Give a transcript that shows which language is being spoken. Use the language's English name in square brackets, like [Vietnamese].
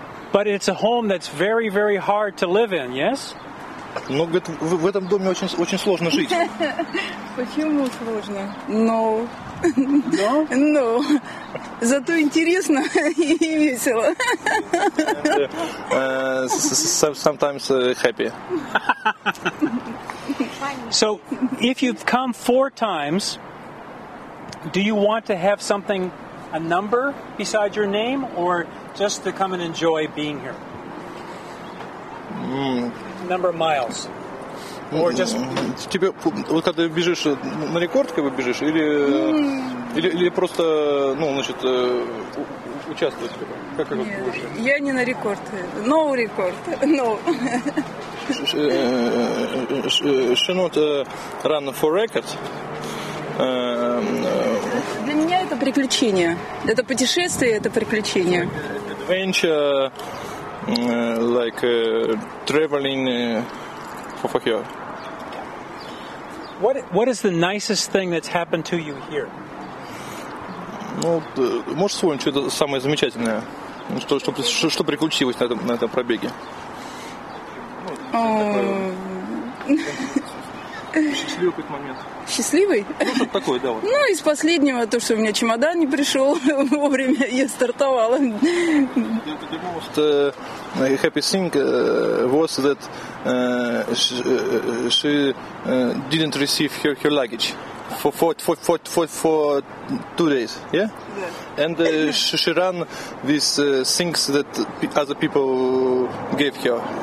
[English] But it's a home that's very, very hard to live in, yes? [Russian] Ну, говорит, в этом доме очень, очень сложно жить. Почему сложно? Но. Да? Но. Зато интересно и весело. [English] Sometimes happy. So, if you've come four times, do you want to have something, a number beside your name, or just to come and enjoy being here? Number of miles. Or just [Russian] тебе вот когда бежишь на рекорд, как бы бежишь, или или просто, ну, значит, участвовать, как это будет? Я не на рекорд, [English] no record, no. Should not run for record. [Russian] Для меня это приключение, это путешествие, это приключение. [English] Adventure. Like traveling for here. What is the nicest thing that's happened to you here? [Russian] Ну, можешь вспомнить, что это самое замечательное, что приключилось на этом пробеге? Счастливый какой-то момент. Счастливый? Ну, что-то такое, да. Вот. Ну, из последнего, то, что у меня чемодан не пришел вовремя, я стартовала. [English] The most happy thing was that she didn't receive her luggage for two days, yeah? Yeah. And she ran these things that other people gave her.